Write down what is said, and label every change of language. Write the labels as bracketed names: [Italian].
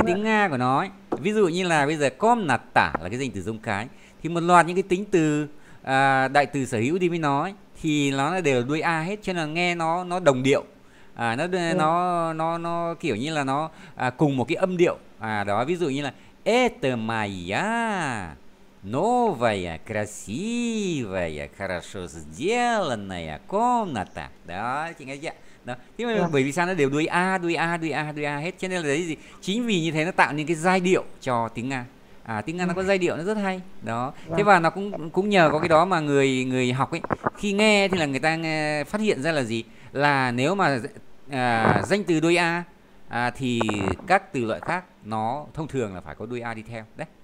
[Vietnamese] cái ạ. tiếng Nga của nó ấy, ví dụ như là bây giờ com nạt tả là cái danh từ giống cái, thì một loạt những cái tính từ đại từ sở hữu đi với nó ấy, thì nó đều đuôi a hết, cho nên là nghe nó đồng điệu. À Vâng. nó kiểu như là nó cùng một cái âm điệu. À đó, ví dụ như là [Russian] Это моя новая красивая, хорошо сделанная комната. [Vietnamese] Đó, chị nghe chưa? Đó. Thế mà Vâng. bởi vì sao nó đều đuôi A, đuôi A, đuôi A, đuôi A hết. Cho nên là đấy gì? Chính vì như thế nó tạo nên cái giai điệu cho tiếng Nga. À, tiếng Nga nó có giai điệu, nó rất hay. Đó. Thế Vâng. và nó cũng cũng nhờ có cái đó mà người người học ấy, khi nghe thì là người ta phát hiện ra là gì? Là nếu mà danh từ đuôi A, thì các từ loại khác nó thông thường là phải có đuôi A đi theo đấy.